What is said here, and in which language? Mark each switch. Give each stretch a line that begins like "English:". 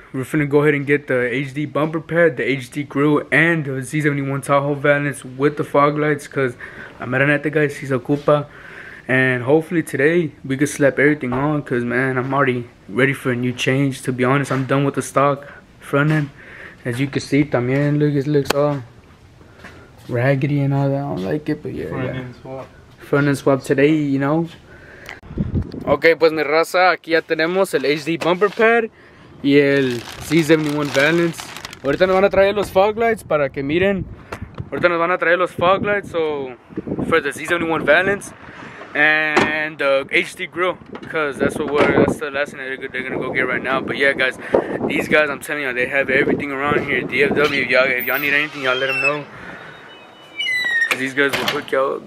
English: We're finna go ahead and get the HD bumper pad, the HD grill, and the Z71 Tahoe Valance with the fog lights. Because I'm at an at the guys, he's a Koopa, And hopefully today we could slap everything on, because man, I'm already ready for a new change. To be honest, I'm done with the stock front end. As you can see, también, look, it looks all raggedy and all that. I don't like it, but yeah. Front end swap. Front end swap today, you know?
Spanish: Okay, pues mi raza, aquí ya tenemos el HD bumper pad y el C71 balance. Ahorita nos van a traer los fog lights para que miren. Ahorita nos van a traer los fog lights,
English: so for the C71 balance and the HD grill, because that's the last thing that they're gonna go get right now. But yeah guys, these guys, I'm telling you, they have everything around here. DFW, if y'all need anything, y'all let them know, because these guys will hook y'all up.